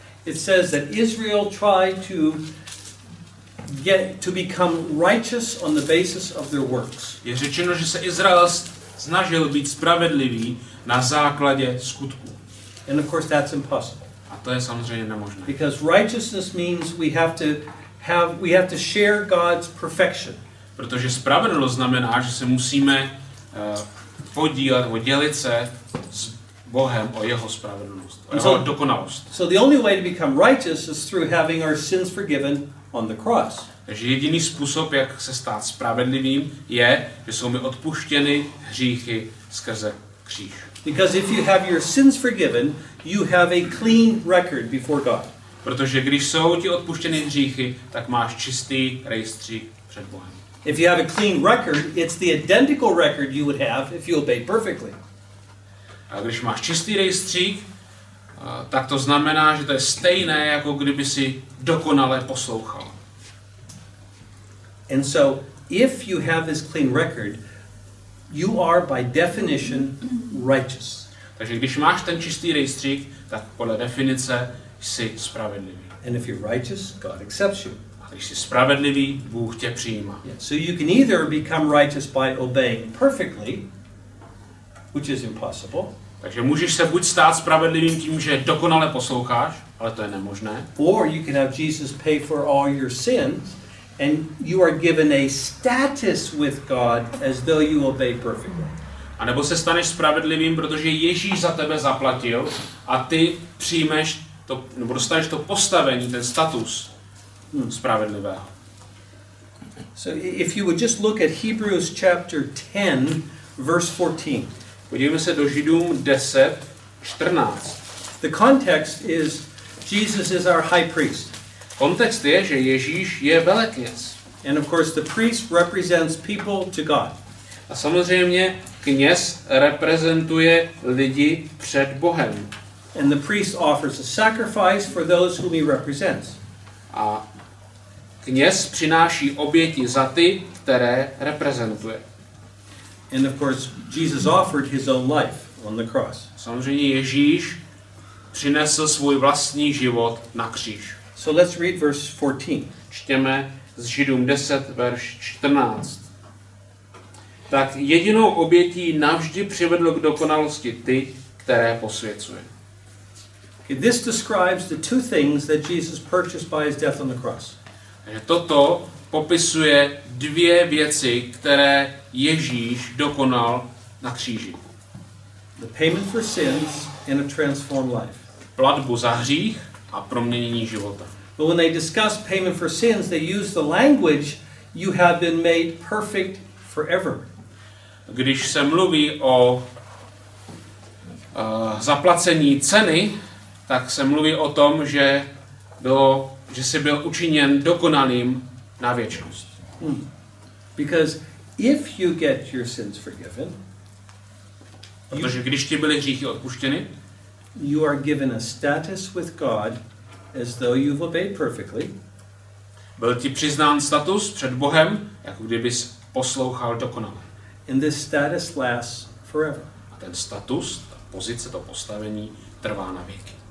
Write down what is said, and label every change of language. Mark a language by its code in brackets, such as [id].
[en] it says that Israel tried to get to become righteous on the basis of their works. [cs] Je řečeno, že se Izrael snažil být spravedlivý na základě skutků. [en] And of course that's impossible. [cs] A to je samozřejmě nemožné. [en] Because righteousness means we have to share God's perfection. [cs] Protože spravedlnost znamená, že se musíme podílet nebo dělit se s Bohem o jeho spravedlnost, o jeho dokonalost. [en] So the only way to become righteous is through having our sins forgiven on the cross. [cs] Takže jediný způsob, jak se stát spravedlivým, je, že jsou mi odpuštěny hříchy skrze kříž. [en] Because if you have your sins forgiven, you have a clean record before God. [cs] Protože když jsou ti odpuštěny hříchy, tak máš čistý rejstřík před Bohem. [en] If you have a clean record, it's the identical record you would have if you obeyed perfectly. [cs] A když máš čistý rejstřík, tak to znamená, že to je stejné, jako kdyby si dokonale poslouchal. [en] And so, if you have this clean record, you are by definition righteous. [cs] Takže když máš ten čistý rejstřík, tak podle definice jsi spravedlivý. [en] And if you're righteous, God accepts you. [cs] Když jsi spravedlivý, Bůh tě přijímá. [en] Yeah. So you can either become righteous by obeying perfectly, which is impossible. [cs] Takže můžeš se buď stát spravedlivým tím, že dokonale posloucháš, ale to je nemožné. [en] Or you can have Jesus pay for all your sins and you are given a status with God as though you obey perfectly. [cs] A nebo se staneš spravedlivým, protože Ježíš za tebe zaplatil a ty přijmeš to, nebo dostaneš to postavení, ten status spravedlivého. [en] So if you would just look at Hebrews chapter 10 verse 14. [cs] Podívejme se do Židům 10:14. [en] The context is Jesus is our high priest. [cs] Kontext je, že Ježíš je velekněz. [en] And of course the priest represents people to God. [cs] A samozřejmě kněz reprezentuje lidi před Bohem. [en] And the priest offers a sacrifice for those whom he represents. [cs] A kněz přináší oběti za ty, které reprezentuje. [en] And of course Jesus offered his own life on the cross. [cs] Samozřejmě Ježíš přinesl svůj vlastní život na kříž. [en] So let's read verse 14. [cs] Čtěme z Židům 10, verš 14. Tak jedinou obětí navždy přivedl k dokonalosti ty, které posvěcuje. [en] This describes the two things that Jesus purchased by his death on the cross. [cs] Toto popisuje dvě věci, které Ježíš dokonal na kříži. [en] The payment for sins and a transformed life. [cs] Platbu za hřích a proměnění života. [en] But when they discuss payment for sins, they use the language you have been made perfect forever. [cs] Když se mluví o zaplacení ceny, tak se mluví o tom, že bylo, že jsi byl učiněn dokonalým na věčnost. Hmm. [en] Because if you get your sins forgiven, [cs] protože když ti byly hříchy odpuštěny, [en] you are given a status with God as though you've obeyed perfectly. [cs] Byl ti přiznán status před Bohem, jako kdybys poslouchal dokonale. [en] And this status lasts forever. [cs] A ten status, ta pozice, to postavení trvá na věky.